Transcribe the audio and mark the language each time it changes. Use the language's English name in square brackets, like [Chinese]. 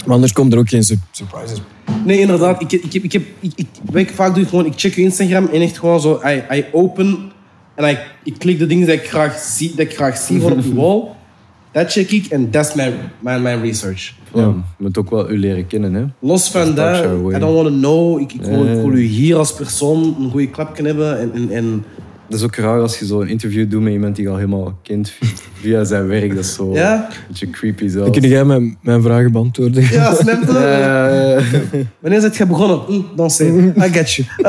[Dutch] Maar anders komt er ook geen surprises. Nee, inderdaad. Ik vaak doe ik gewoon... Ik check je Instagram en echt gewoon zo... I open en ik klik de dingen die ik graag zie voor op de wall. Dat check ik en dat is mijn research. Ja, je moet ook wel u leren kennen, hè. Los van dat, [English] I don't want to know. [Dutch] Ik wil u hier als persoon een goede klap kunnen hebben. En dat is ook raar als je zo'n interview doet met iemand die je al helemaal kent via zijn werk. Dat is zo een beetje creepy zelfs. Kun jij mijn vragen beantwoorden? Ja, snap je? Wanneer ben je begonnen? Dansen. [English] I get you.